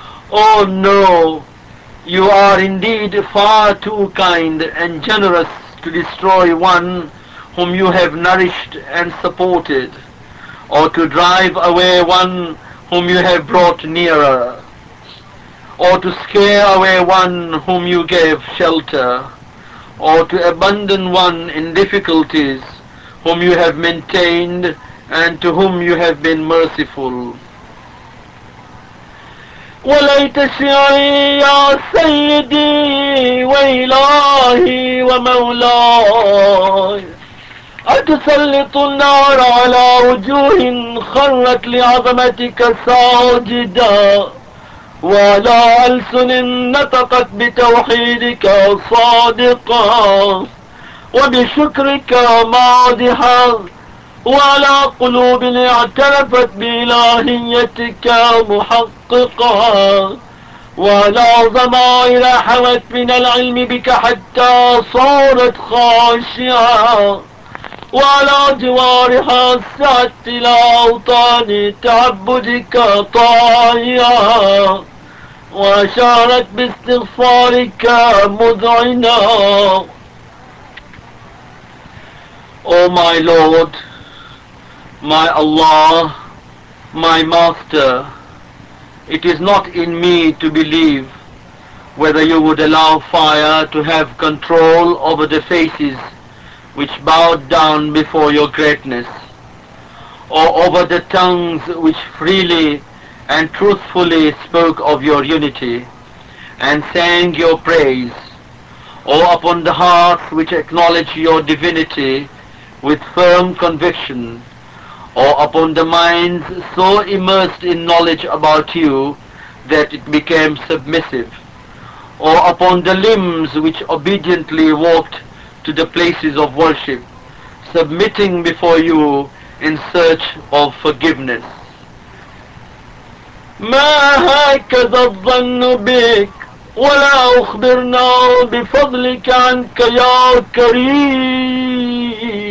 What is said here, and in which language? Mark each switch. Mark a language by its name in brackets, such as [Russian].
[English] Oh no, you are indeed far too kind and generous to destroy one whom you have nourished and supported, or to drive away one whom you have brought nearer, or to scare away one whom you gave shelter, or to abandon one in difficulties whom you have maintained and to whom you have been merciful. [Arabic] وليت شعري يا سيدي وإلهي ومولاي أتسلط النار على وجوه خرت لعظمتك ساجدا ولا ألسن نطقت بتوحيدك صادقا وبشكرك مادحا ولا قلوب اعترفت بإلهيتك محققا ولا ضمائر حوت من العلم بك حتى صارت خاشعة ولا جوارح سعت إلى أوطان تعبدك طاهية وشارت باستغفارك مذعنا. [English] Oh my Lord, my Allah, my Master, it is not in me to believe whether you would allow fire to have control over the faces which bowed down before your greatness, or over the tongues which freely and truthfully spoke of your unity and sang your praise, or upon the hearts which acknowledge your divinity with firm conviction, or upon the minds so immersed in knowledge about you that it became submissive, or upon the limbs which obediently walked to the places of worship, submitting before you in search of forgiveness. [Arabic] ما هكذا الظن بك ولا أخبرنا بفضلك عنك يا كريم.